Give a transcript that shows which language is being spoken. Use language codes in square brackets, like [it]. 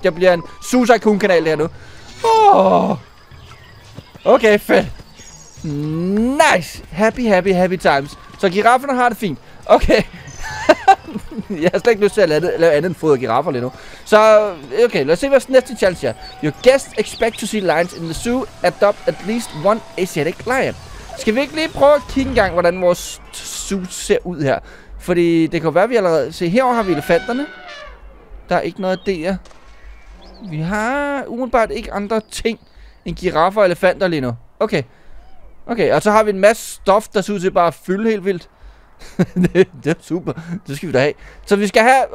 [da] Det bliver en Susakun-kanal her nu. [en] Okay, fedt. Nice! Happy times. [da] Så girafferne har det fint. Okay. Jeg har slet ikke lyst til at lave andet end fod af giraffer lige nu. Så, okay, lad os se, hvad næste challenge er. [en] Your guests expect to see lions in the zoo. Adopt at least one Asiatic lion. [da] Skal vi ikke lige prøve at kigge engang, hvordan vores zoo ser ud her? Fordi det kan være, vi allerede... Se, herovre har vi elefanterne. Der er ikke noget der. Vi har umiddelbart ikke andre ting end giraffer og elefanter lige nu. Okay, og så har vi en masse stof, der ser ud til bare at fylde helt vildt. Det er super. Det skal vi da have. Så vi skal have...